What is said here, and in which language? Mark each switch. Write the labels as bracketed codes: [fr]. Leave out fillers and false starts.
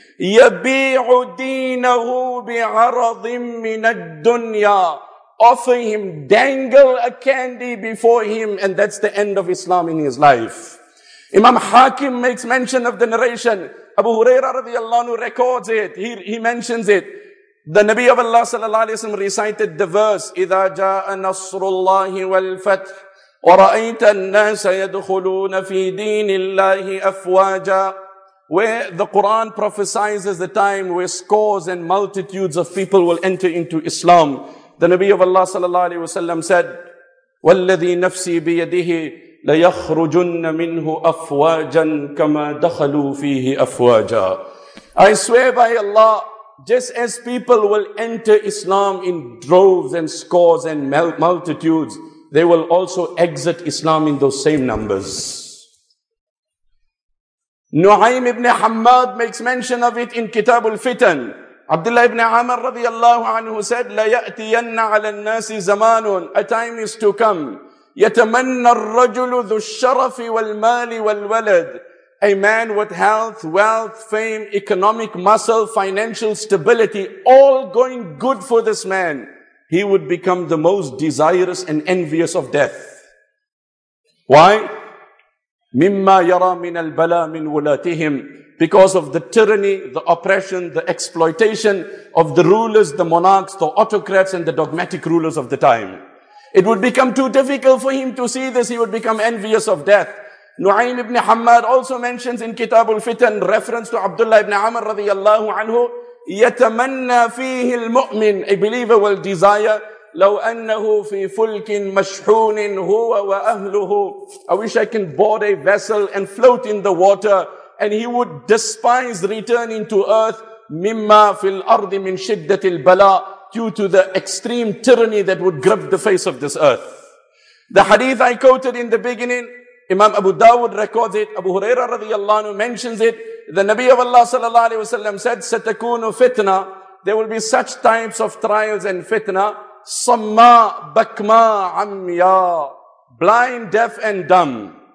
[ar] يَبِيعُ دِينَهُ بِعَرَضٍ مِّنَ الدُّنْيَا. [en] Offer him, dangle a candy before him, and that's the end of Islam in his life. Imam Hakim makes mention of the narration. Abu Hurairah radiallahu anhu records it. He mentions it. The Nabi of Allah sallallahu alayhi wa sallam recited the verse, [ar] إِذَا جَاءَ نَصْرُ اللَّهِ وَالْفَتْحِ وَرَأَيْتَ النَّاسَ يَدْخُلُونَ فِي دِينِ اللَّهِ أَفْوَاجًا. [en] Where the Quran prophesizes the time where scores and multitudes of people will enter into Islam. The Nabi of Allah sallallahu alayhi wa sallam said, [ar] وَالَّذِي نَفْسِي بِيَدِهِ لَيَخْرُجُنَّ مِنْهُ أَفْوَاجًا كَمَا دَخَلُوا فِيهِ أَفْوَاجًا. [en] I swear by Allah, just as people will enter Islam in droves and scores and multitudes, they will also exit Islam in those same numbers. Nu'aym ibn Hammad makes mention of it in Kitab al-Fitan. Abdullah ibn Amr radiallahu anhu said, [ar] لَيَأْتِيَنَّ عَلَى النَّاسِ زَمَانٌ. [en] A time is to come. [ar] يَتَمَنَّ الرَّجُلُ ذُو الشَّرَفِ وَالْمَالِ وَالْوَلَدِ [en] A man with health, wealth, fame, economic muscle, financial stability, all going good for this man, he would become the most desirous and envious of death. Why? [ar] مِمَّا يَرَى مِنَ الْبَلَى مِنْ وُلَاتِهِمْ. [en] Because of the tyranny, the oppression, the exploitation of the rulers, the monarchs, the autocrats and the dogmatic rulers of the time. It would become too difficult for him to see this, he would become envious of death. Nu'aym ibn Hammad also mentions in Kitab al-Fitan, reference to Abdullah ibn Amr radiyallahu anhu, [ar] يَتَمَنَّى فِيهِ الْمُؤْمِنِ. [en] A believer will desire, [ar] لَوْ أَنَّهُ فِي فُلْكٍ مَشْحُونٍ هُوَ وَأَهْلُهُ. [en] I wish I can board a vessel and float in the water, and he would despise returning to earth, [ar] مِمَّا فِي الْأَرْضِ مِنْ شِدَّةِ الْبَلَىٰ, [en] due to the extreme tyranny that would grip the face of this earth. The hadith I quoted in the beginning, Imam Abu Dawud records it, Abu Huraira radiyallahu anhu mentions it, the Nabi of Allah sallallahu alayhi wa sallam said, [ar] سَتَكُونُ فِتْنَا, [en] there will be such types of trials and fitna, [ar] Samma bakma amya, [en] blind, deaf and dumb.